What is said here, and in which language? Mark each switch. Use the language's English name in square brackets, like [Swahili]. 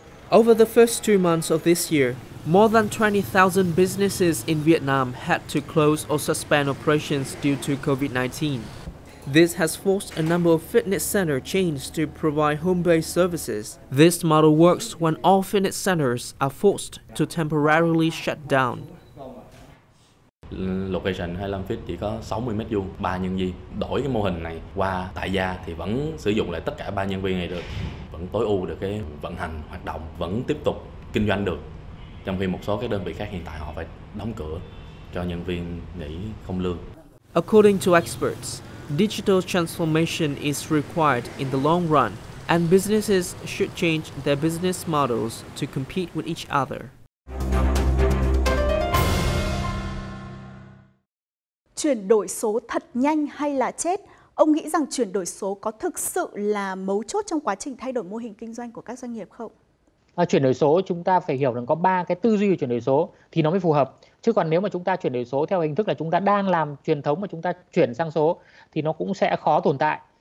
[English] Over the first 2 months of this year, more than 20,000 businesses in Vietnam had to close or suspend operations due to COVID-19. This has forced a number of fitness center chains to provide home-based services. This model works when all fitness centers are forced to temporarily shut down. [Vietnamese] Location 25 feet chỉ có 60 mét vuông, 3 nhân viên. Đổi cái mô hình này qua tại gia thì vẫn sử dụng lại tất cả 3 nhân viên này được, vẫn tối ưu được cái vận hành hoạt động, vẫn tiếp tục kinh doanh được. Trong khi một số cái đơn vị khác hiện tại họ phải đóng cửa cho nhân viên nghỉ không lương. [English] According to experts, digital transformation is required in the long run and businesses should change their business models to compete with each other. [Vietnamese] Chuyển đổi số thật nhanh hay là chết? Ông nghĩ rằng chuyển đổi số có thực sự là mấu chốt trong quá trình thay đổi mô hình kinh doanh của các doanh nghiệp không? Chuyển đổi số chúng ta phải hiểu rằng có 3 cái tư duy của chuyển đổi số thì nó mới phù hợp. Chứ còn nếu mà chúng ta chuyển đổi số theo hình thức là chúng ta đang làm truyền thống mà chúng ta chuyển sang số thì nó cũng sẽ khó tồn tại.